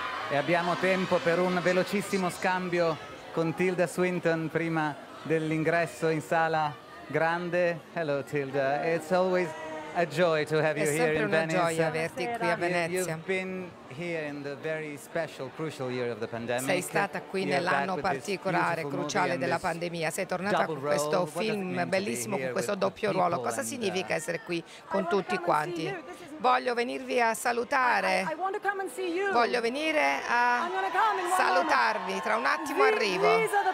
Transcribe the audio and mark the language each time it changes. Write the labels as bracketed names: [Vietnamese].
[Italian] e abbiamo tempo per un velocissimo scambio con Tilda Swinton prima dell'ingresso in sala grande. [English] Hello Tilda, it's always a joy to have you here in Venice. [Italian] È sempre una gioia averti qui a Venezia. [English] You've been here in the very special, crucial year of the pandemic. [Italian] Sei stata qui nell'anno particolare, cruciale della pandemia. Sei tornata con questo film bellissimo, con questo doppio ruolo. Cosa significa essere qui con tutti quanti? Voglio venirvi a salutare. Voglio venire a salutarvi. Tra un attimo arrivo.